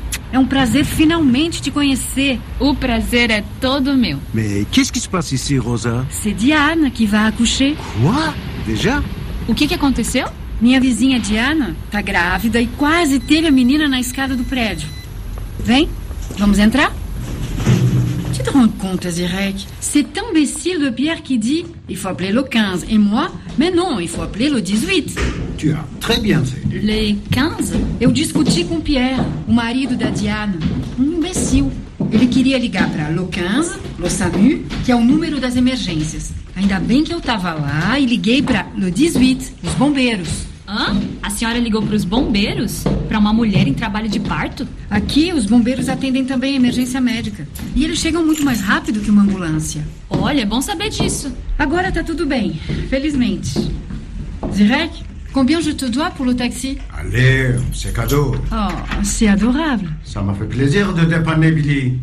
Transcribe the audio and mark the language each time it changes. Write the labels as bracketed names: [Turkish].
[Portuguese] É um prazer finalmente te conhecer. O prazer é todo meu. [French] Mas qu'est-ce qui se passe ici, Rosa? C'est Diane qui va accoucher. Quoi? Déjà? [Portuguese] O que aconteceu? Minha vizinha Diane tá grávida e quase teve a menina na escada do prédio. Vem, vamos entrar? [French] Tu te rends compte, Zirek? C'est imbécile de Pierre qui dit: il faut appeler le 15. Et moi, Mais non, il faut appeler le 18. Tu as très bien fait. Les 15? [Portuguese] Eu discuti com Pierre, o marido da Diana. Imbecil. Ele queria ligar para [French] le 15, le SAMU, [Portuguese] que é o número das emergências. Ainda bem que eu estava lá e liguei para [French] le 18, [Portuguese] os bombeiros. Hã? A senhora ligou para os bombeiros? Para uma mulher em trabalho de parto? Aqui, os bombeiros atendem também emergência médica. E eles chegam muito mais rápido que uma ambulância. Olha, é bom saber disso. Agora tá tudo bem, felizmente. [French] Zirek, combien je te dois pour le taxi? Allez, c'est cadeau. Oh, c'est adorable. Ça m'a fait plaisir de dépanner, Billy.